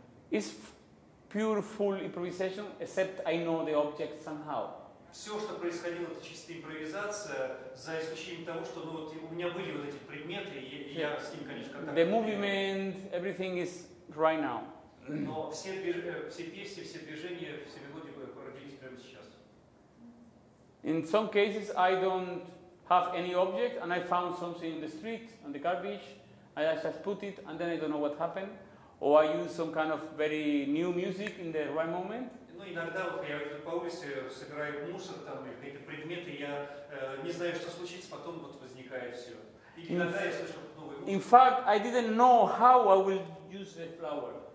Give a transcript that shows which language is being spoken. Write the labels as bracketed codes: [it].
[en] It's pure, full improvisation, except I know the object somehow. [ru] Все, что происходило, это чистая импровизация, за исключением того, что ну, вот, у меня были вот эти предметы, и я с ним, конечно, контактировал. [en] The movement, everything is right now. [ru] Но все песни, все движения, все мелодии бы породились прямо сейчас. [en] In some cases I don't have any object and I found something in the street, on the garbage. I just put it and then I don't know what happened. Or I use some kind of very new music in the right moment. [ru] Ну, иногда вот я по улице собираю мусор там или какие-то предметы, я не знаю, что случится, потом вот возникает все. Иногда я слышу новый звук. [en] In fact, I didn't know how I will use the flower.